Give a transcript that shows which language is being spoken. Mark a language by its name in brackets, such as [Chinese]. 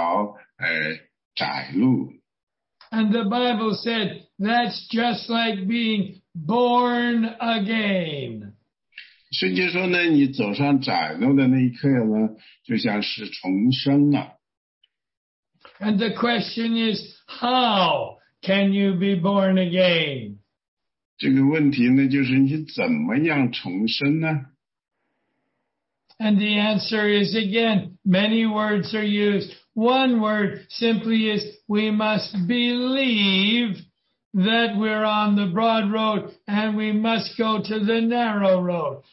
[Chinese] 当我们悔改以后，我们得救以后呢，我们就进入了这条窄路。 [English] And the Bible said that's just like being born again. [Chinese] 圣经说呢，你走上窄路的那一刻呢，就像是重生了。 [English] And the question is, how can you be born again? [Chinese] 这个问题呢，就是你怎么样重生呢？ [English] And the answer is, again, many words are used. One word simply is, we must believe that we're on the broad road and we must go to the narrow road.